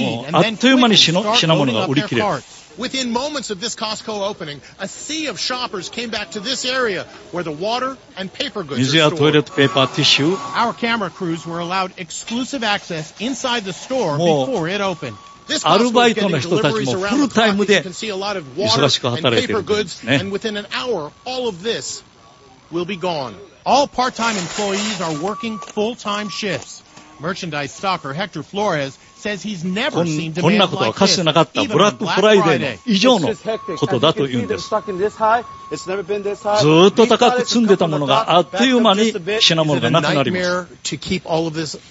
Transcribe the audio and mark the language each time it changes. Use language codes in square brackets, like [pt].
[ja] もうあっという間に品物が売り切れる。 [en] Within moments of this Costco opening, a sea of shoppers came back to this area where the water and paper goods are stored. [ja] 水やトイレットペーパー、ティッシュ。 [en] Our camera crews were allowed exclusive access inside the store before it opened. This Costco was getting deliveries around the clock. You can see a lot of water and paper goods, and within an hour, all of this will be gone. All part-time employees are working full-time shifts. Merchandise stalker Hector Flores. [ja] こんなことはかつてなかったブラックフライデーの以上のことだというんです。ずっと高く積んでたものがあっという間に品物がなくなります。